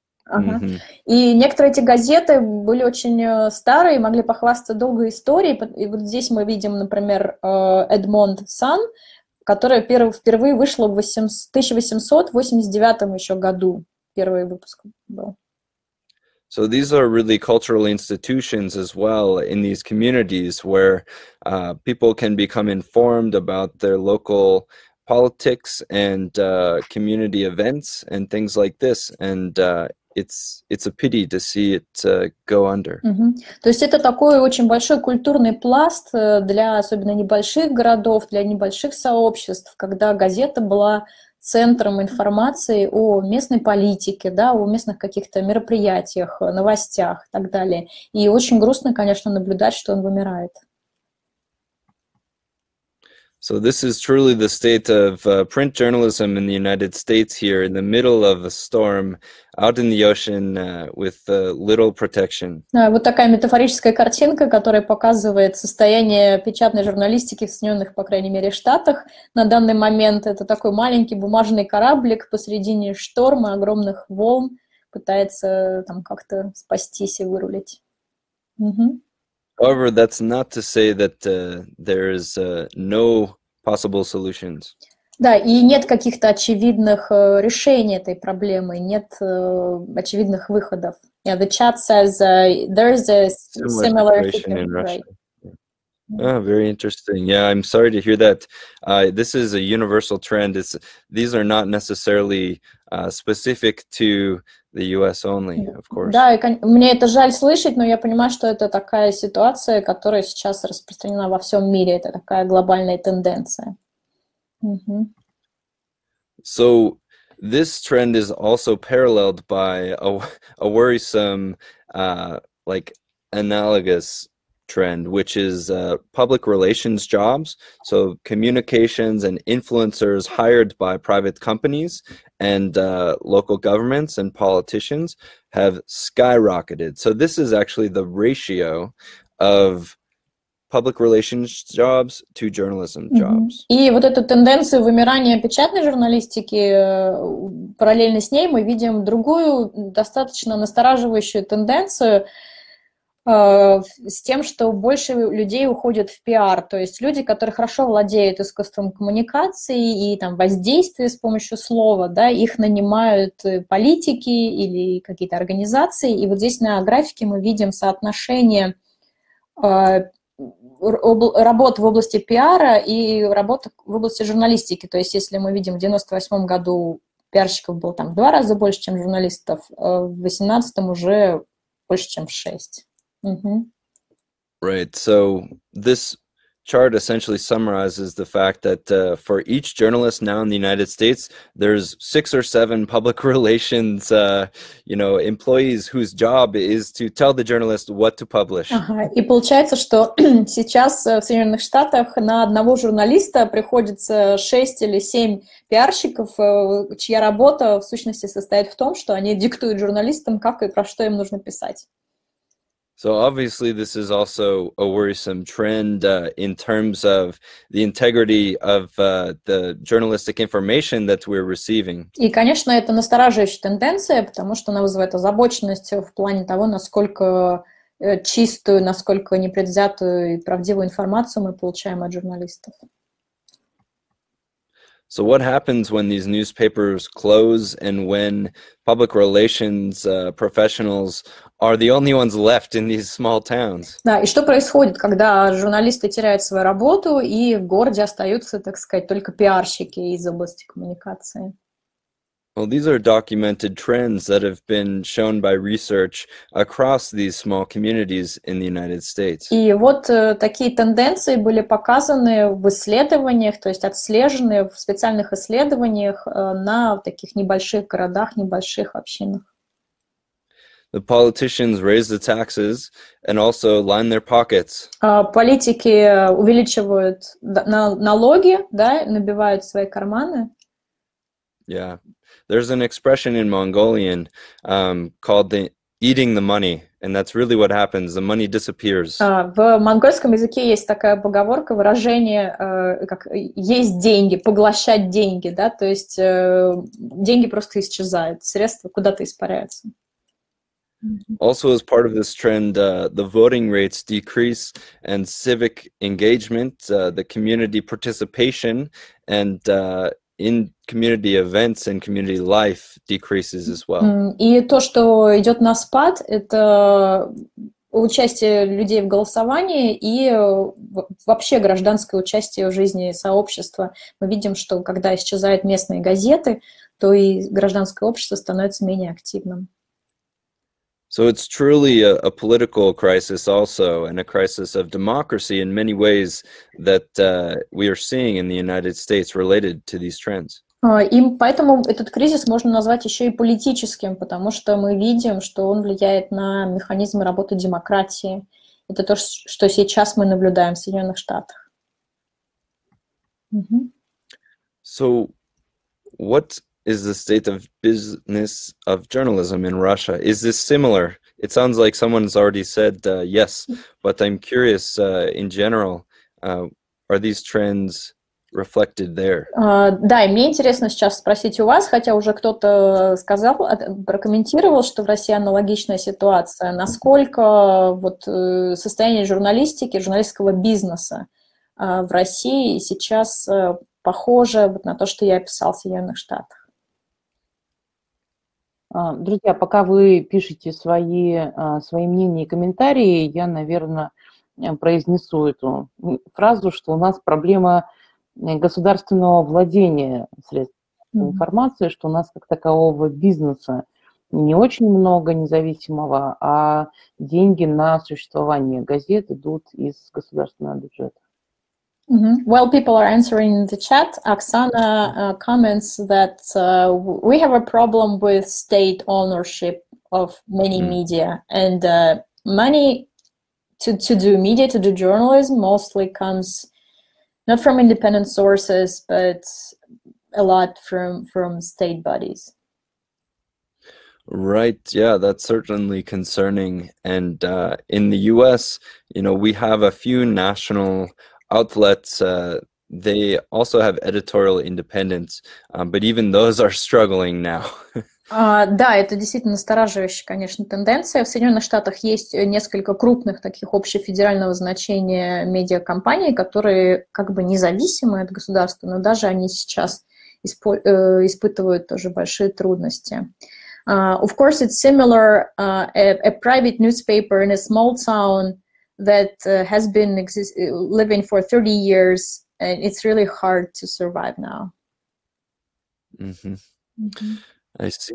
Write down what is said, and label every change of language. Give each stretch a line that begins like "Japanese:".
Russian: Uh-huh. И некоторые эти газеты были очень старые, могли похвастаться долгой историей. И вот здесь мы видим, например, Edmund Sun, которая впервые вышла в 1889 еще году, первый выпуск был.
English: So these are really cultural institutions as well in these communities where people can become informed about their local politics and community events and things like this, and it's a pity to see it go under. Mm-hmm.
Russian: То есть это такой очень большой культурный пласт для особенно небольших городов, для небольших сообществ, когда газета была центром информации о местной политике, да, о местных каких-то мероприятиях, новостях и так далее. И очень грустно, конечно, наблюдать, что он вымирает.
English: So this is truly the state of print journalism in the United States here in the middle of a storm out in the ocean with little protection.
Russian: Вот такая метафорическая картинка, которая показывает состояние печатной журналистики в Соединенных, по крайней мере, Штатах на данный момент. Это такой маленький бумажный кораблик посредине шторма, огромных волн, пытается там как-то спастись и вырулить.
English: However, that's not to say that there is no possible solutions.
Russian: Да, и нет каких-то очевидных решений этой проблемы, нет очевидных выходов.
English: Yeah, the chat says there is a similar situation in Russia. Yeah. Oh, very interesting. Yeah, I'm sorry to hear that. This is a universal trend. These are not necessarily specific to the US only, of course.
Russian: Да, мне это жаль слышать, но я понимаю, что это такая ситуация, которая сейчас распространена во всем мире. Это такая глобальная тенденция.
English: So this trend is also paralleled by a worrisome, like analogous trend, which is public relations jobs. So communications and influencers hired by private companies and local governments and politicians have skyrocketed. So this is actually the ratio of public relations jobs to journalism jobs. Mm-hmm.
Russian: И вот эту тенденцию вымирания печатной журналистики, параллельно с ней мы видим другую достаточно настораживающую тенденцию с тем, что больше людей уходят в пиар, то есть люди, которые хорошо владеют искусством коммуникации и там воздействия с помощью слова, да, их нанимают политики или какие-то организации, и вот здесь на графике мы видим соотношение работ в области пиара и работ в области журналистики, то есть если мы видим в 98-м году пиарщиков было там в два раза больше, чем журналистов, в 18-м уже больше, чем в 6. Mm-hmm. Right.
English: So this chart essentially summarizes the fact that for each journalist now in the United States, there's six or seven public relations, you know, employees whose job is to tell the journalist what to publish.
Russian: И получается, что сейчас в Соединенных Штатах на одного журналиста приходится шесть или семь пиарщиков, чья работа в сущности состоит в том, что они диктуют журналистам, как и про что им нужно писать.
English: So obviously this is also a worrisome trend in terms of the integrity of the journalistic information that we're receiving.
Russian: И, конечно, это настораживающая тенденция, потому что она вызывает озабоченность в плане того, насколько чистую, насколько непредвзятую и правдивую информацию мы получаем от журналистов.
English: So what happens when these newspapers close and when public relations professionals are the only ones left in these small towns?
Russian: Да, и что происходит, когда журналисты теряют свою работу и в городе остаются, так сказать, только пиарщики из области коммуникации?
English: Well, these are documented trends that have been shown by research across these small communities in the United States.
Russian: И вот такие тенденции были показаны в исследованиях, то есть отслежены в специальных исследованиях на таких небольших городах, небольших общинах.
English: The politicians raise the taxes and also line their pockets.
Russian: Политики увеличивают налоги, да, набивают свои карманы. Yeah.
English: There's an expression in Mongolian called the eating the money, and that's really what happens. The money disappears.
Russian: В монгольском языке есть такая поговорка, выражение, как есть деньги, поглощать деньги, да, то есть деньги просто исчезают, средства куда-то испаряются.
English: Also, as part of this trend, the voting rates decrease, and civic engagement, the community participation, and in community events and community life decreases as well.
Russian: И то, что идет на спад, это участие людей в голосовании и вообще гражданское участие в жизни сообщества. Мы видим, что когда исчезают местные газеты, то и гражданское общество становится менее активным.
English: So it's truly a political crisis also, and a crisis of democracy in many ways that we are seeing in the United States related to these trends.
Russian: И поэтому этот кризис можно назвать еще и политическим, потому что мы видим, что он влияет на механизмы работы демократии. Это то, что сейчас мы наблюдаем в Соединенных Штатах.
English: So what is the state of business of journalism in Russia? Is this similar? It sounds like someone's already said yes, but I'm curious in general, are these trends reflected there?
Russian: Да, мне интересно сейчас спросить у вас, хотя уже кто-то сказал, прокомментировал, что в России аналогичная ситуация. Насколько вот состояние журналистики, журналистского бизнеса в России сейчас похоже вот на то, что я описал в Соединенных Штатах? Друзья, пока вы пишете свои, свои мнения и комментарии, я, наверное, произнесу эту фразу, что у нас проблема государственного владения средств информации, что у нас как такового бизнеса не очень много независимого, а деньги на существование газет идут из государственного бюджета.
English: Well, people are answering the chat. Оксана comments that we have a problem with state ownership of many media, and money to do media, to do journalism mostly comes not from independent sources, but a lot from state bodies. Right, yeah, that's certainly concerning. And in the US, you know, we have a few national outlets. They also have editorial independence, but even those are struggling now.
Russian: Да, это действительно настораживающая, конечно, тенденция. В Соединенных Штатах есть несколько крупных таких общефедерального значения медиакомпаний, которые как бы независимы от государства, но даже они сейчас испытывают тоже большие трудности.
English: Of course, it's similar a private newspaper in a small town that has been living for 30 years, and it's really hard to survive now. I see.